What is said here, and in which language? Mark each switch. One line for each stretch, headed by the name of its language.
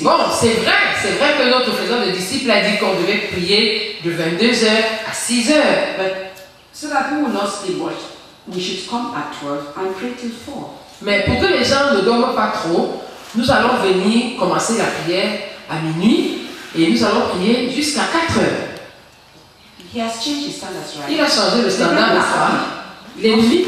French: C'est vrai que notre faisant de disciples a dit qu'on devait prier de 22h à 6h.
English: But so that we will not sleep much, we should come at 12 and pray till 4.
French: Mais pour que les gens ne dorment pas trop, nous allons venir commencer la prière à minuit et nous allons prier jusqu'à 4h.
English: He has changed his standards, right?
French: Il a changé le standard, n'est-ce pas?